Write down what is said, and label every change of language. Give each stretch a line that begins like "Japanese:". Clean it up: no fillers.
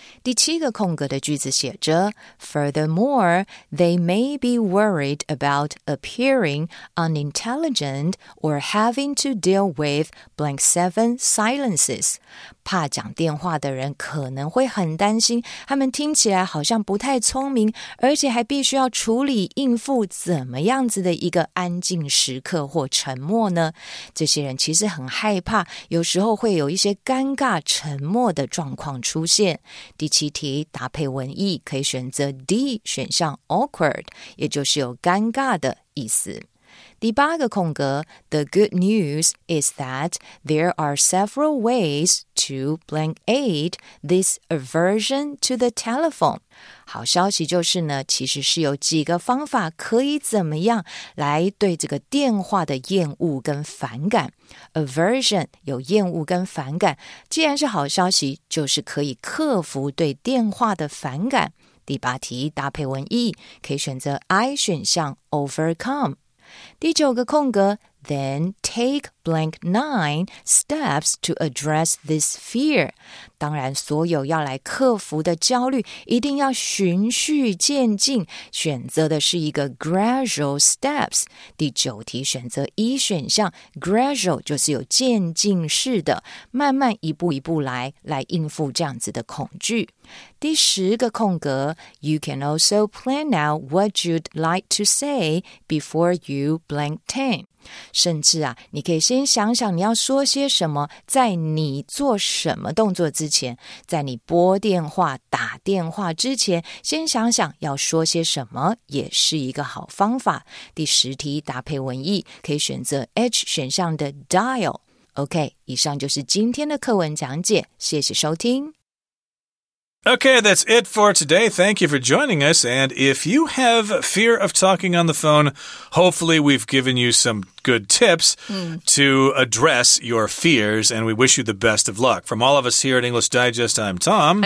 Chinese: 第七个空格的句子写着
English: Furthermore, they may be worried about appearing unintelligent or having to deal with blank seven silences.
Chinese: 怕讲电话的人可能会很担心他们听起来好像不太聪明，而且还必须要处理应付怎么样子的一个安静时刻或沉默呢？这些人其实很害怕，有时候会有一些尴尬沉默的状况出现。第七题搭配文意可以选择 D 选项 awkward， 也就是有尴尬的意思。
English: 第八个空格 The good news is that there are several ways to blank aid this aversion to the telephone。
Chinese: 好消息就是呢，其实是有几个方法可以怎么样来对这个电话的厌恶跟反感。 Aversion 有厌恶跟反感，既然是好消息，就是可以克服对电话的反感。第八题搭配文意可以选择 I 选项 overcome。第九个空格
English: Then take blank nine steps to address this fear.
Chinese: 当然所有要来克服的焦虑一定要循序渐进，选择的是一个
English: gradual steps.
Chinese: 第九题选择一选项 gradual 就是有渐进式的，慢慢一步一步来，来应付这样子的恐惧。第十个空格
English: You can also plan out what you'd like to say before you blank ten.
Chinese: 甚至啊，你可以先想想你要说些什么，在你做什么动作之前，在你拨电话打电话之前，先想想要说些什么也是一个好方法。第十题搭配文意可以选择 H 选项的 dial。 OK， 以上就是今天的课文讲解，谢谢收听。
English: Okay, that's it for today. Thank you for joining us. And if you have fear of talking on the phone, hopefully we've given you some good tips to address your fears. And we wish you the best of luck. From all of us here at English Digest, I'm Tom.